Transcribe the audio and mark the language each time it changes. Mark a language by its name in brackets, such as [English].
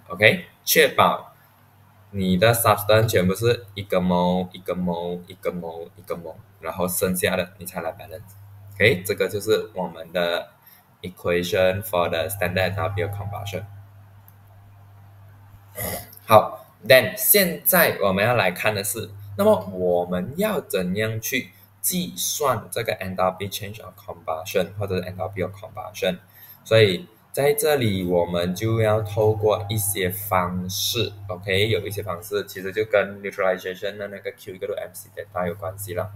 [Chinese] OK， 确保你的 substance 全部是一个 mol 一个 mol 一个 mol 一个 mol， 然后剩下的你才来 balance。 OK， 这个就是我们的 [English] equation for the standard W combustion。 [Chinese] 好， then 现在我们要来看的是，那么我们要怎样去计算这个 enthalpy change of combustion 或者是 enthalpy of combustion？所以在这里我们就要透过一些方式， OK， 有一些方式其实就跟 neutralization 的那个 Q 一个 MC data 有关系了。